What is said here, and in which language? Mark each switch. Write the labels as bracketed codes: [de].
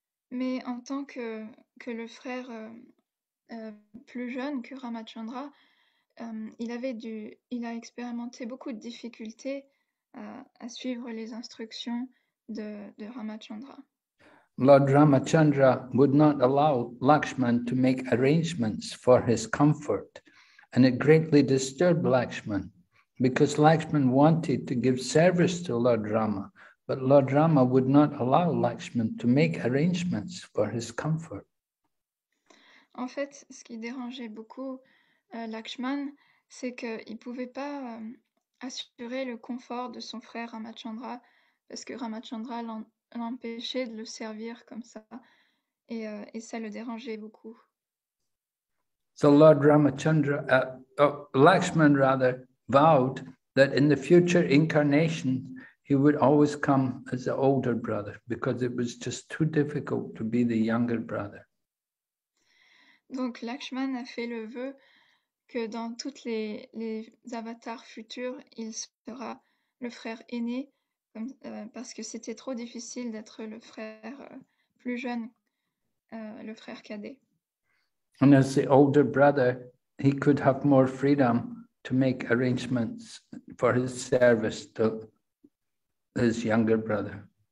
[fr] Mais en tant que le frère plus jeune que Ramachandra, il a expérimenté beaucoup de difficultés à suivre les instructions de Ramachandra. [en] Lord Ramachandra would not allow Lakshman to make arrangements for his comfort, and it greatly disturbed Lakshman because Lakshman wanted to give service to Lord Rama. But Lord Rama would not allow Lakshman to make arrangements for his comfort. [fr] En fait, ce qui dérangeait beaucoup Lakshman, c'est qu'il ne pouvait pas assurer le confort de son frère Ramachandra, parce que Ramachandra l'empêchait de le servir comme ça, et ça le dérangeait beaucoup. [en] So Lord Ramachandra, Lakshman rather, vowed that in the future incarnation, he would always come as the older brother because it was just too difficult to be the younger brother. [fr] Donc Lakshman a fait le vœu que dans toutes les avatars futurs, il sera le frère aîné parce que c'était trop difficile d'être le frère plus jeune, le frère cadet. [en] And as the older brother, he could have more freedom to make arrangements for his service to his younger brother.